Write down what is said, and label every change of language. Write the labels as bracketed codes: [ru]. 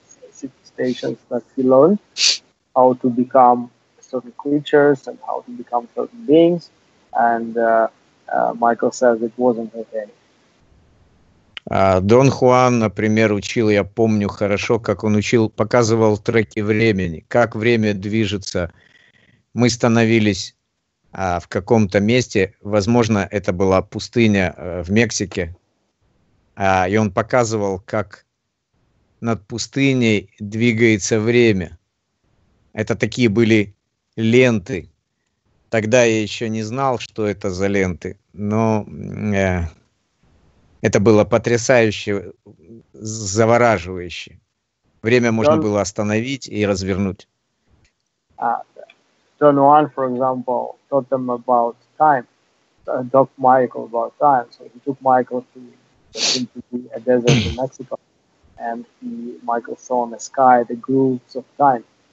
[en] situations that he learned how to become certain creatures and how to become certain beings, and Michael says it wasn't okay. [ru] Дон Хуан, например, учил, я помню хорошо, как он учил, показывал треки времени, как время движется. Мы становились в каком-то месте, возможно, это была пустыня в Мексике, и он показывал, как над пустыней двигается время. Это такие были ленты. Тогда я еще не знал, что это за ленты, но это было потрясающе, завораживающе. Время можно было остановить и развернуть. [en] Don Juan, for example, taught them about time. Taught Michael about time. So he took Michael to be a desert in Mexico, and Michael saw in the sky the grooves of time.